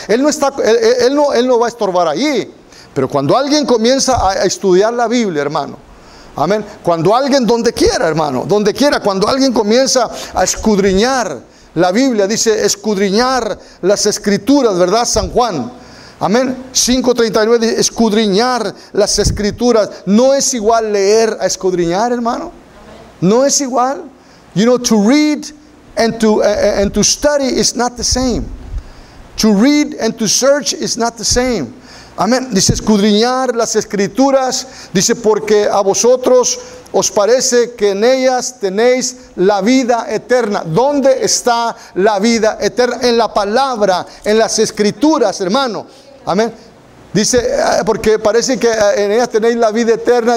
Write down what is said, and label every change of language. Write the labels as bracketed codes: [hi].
[es] Él no va a estorbar ahí. Pero cuando alguien comienza a estudiar la Biblia, hermano, amén, cuando alguien, donde quiera, hermano, donde quiera, cuando alguien comienza a escudriñar la Biblia, dice, escudriñar las Escrituras, ¿verdad?, San Juan, amén, 5:39, dice, escudriñar las Escrituras. No es igual leer a escudriñar, hermano. No es igual. [en] You know, to read and to study is not the same. To read and to search is not the same. [es] Amén. Dice, escudriñar las Escrituras. Dice, porque a vosotros os parece que en ellas tenéis la vida eterna. ¿Dónde está la vida eterna? En la palabra, en las Escrituras, hermano. Amén. Dice, porque parece que en ellas tenéis la vida eterna.